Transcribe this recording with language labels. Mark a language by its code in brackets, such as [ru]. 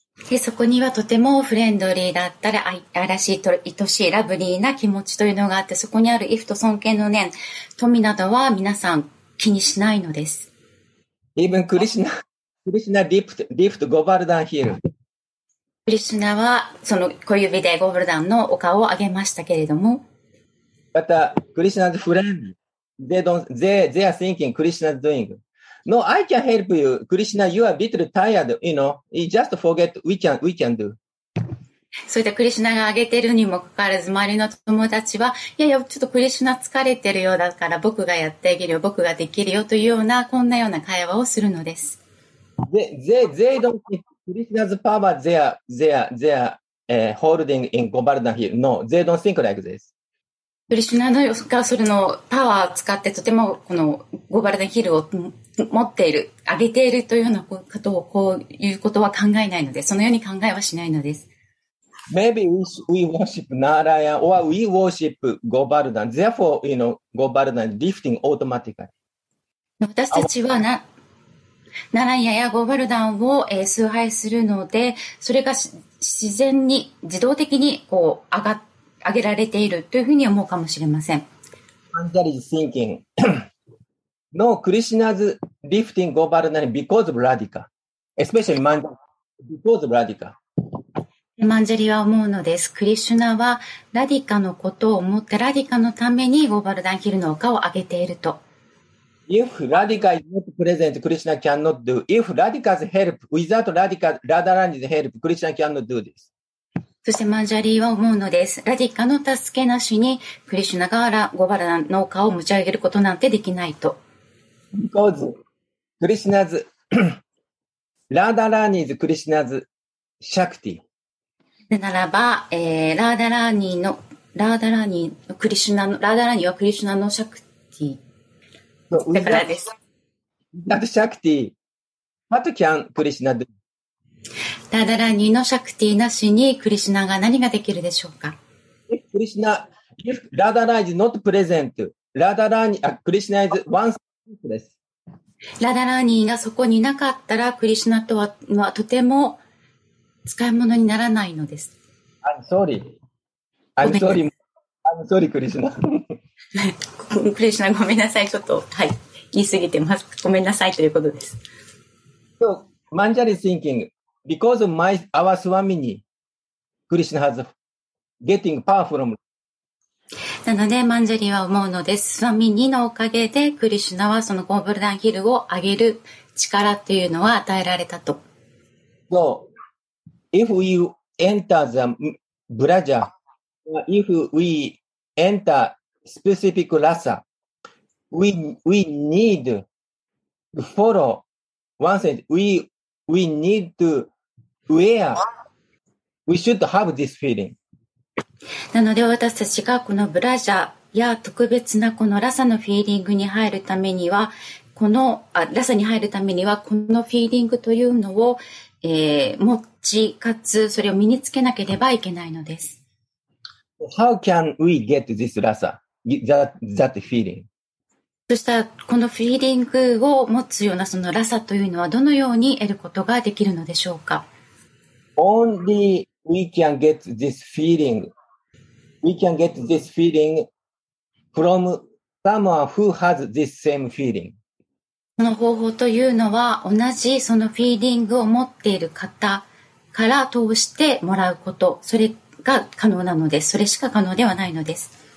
[ja] でそこにはとてもフレンドリーだったら愛らしいと愛しいラブリーな気持ちというのがあってそこにある畏怖と尊敬の念富などは皆さん気にしないのです。 [en] Even Krishna, Krishna lift Govardhan here. [ja] クリシュナはその小指でゴブルダンのお顔を上げましたけれども。 [en] But Krishna's friend, they are thinking Krishna's doing. No, I can help you. Krishna, you are a bit tired, you know. Just forget we can do. [ja] それでクリシュナが挙げてるにもかかわらず、周りの友達は、いやいや、ちょっとクリシュナ疲れてるようだから、僕がやってあげるよ、僕ができるよというような、こんなような会話をするのです。 [en] They don't think Krishna's power, they are holding in Govardhan Hill. No, they don't think like this. [ja] クリシュナのがそれのパワーを使ってとてもこのゴバルダヒルを持っている、上げているというようなことをこういうことは考えないので、そのように考えはしないのです。 [en] Maybe we worship Narayan or we worship Govardhan. Therefore, you know, Govardhan lifting automatically. [ja] 私たちはな、ナランヤやゴーバルダンを、崇拝するので、それが自然に自動的にこう上げられているというふうに思うかもしれません。 [en] アンジャリジ thinking No Krishna's lifting Govardhan because of Radhika especially Manjari because of Radhika。 [ja] マンジャリは思うのです、クリシュナはラディカのことを思ってラディカのためにゴーバルダンヒルの丘を上げていると。 [en] If Radhika is not present, Krishna cannot do. If Radhika's help, without Radhika, Radharani's help, Krishna cannot do this. [ja] そしてマンジャリーは思うのです。ラディカの助けなしに、クリシュナがゴバラダンの丘を持ち上げることなんてできないと。 [en] Because Krishna's, Radharani's Krishna's Shakti. [ja] でならば、ラダラーニーの、ラダラーニー、クリシュナの、ラダラーニーはクリシュナのシャクティ。だからです。 [en] That shakti, what can Krishna do? [ja] ラダラーニのシャクティなしにクリシナが何ができるでしょうか。 [en] クリシナ、if ラダラーニ is not present, ラダラーニ、クリシナ is once useless。 [ja] ラダラーニがそこにいなかったらクリシナとは、まあ、とても使い物にならないのです。 [en] I'm sorry. I'm sorry. I'm sorry, Krishna. [ja] クリシナごめんなさい、ちょっと、はい、言い過ぎてます、ごめんなさいということです。 [en] So, Manjari is thinking, because of my, our Swamini, Krishna has getting power from. [ja] なのでマンジャリは思うのです、スワミニのおかげでクリシナはそのゴーバルダンヒルを上げる力というのは与えられたと。 [en] So, if we enter the Braja, if we enterspecific rasa, we need to follow one sense, we need to wear, we should have this feeling. [ja] なので私たちがこのブラジャや特別なこのラサのフィーリングに入るためには、このラサに入るためにはこのフィーリングというのを、持ちかつそれを身につけなければいけないのです。 [en] How can we get this rasa? That feeling. [ja] そしたらこのフィーリングを持つようなそのラサというのはどのように得ることができるのでしょうか。 [en] Only we can get this feeling. We can get this feeling from someone who has this same feeling. [ja] この方法というのは同じそのフィーリングを持っている方から通してもらうこと、それが可能なのです。それしか可能ではないのです。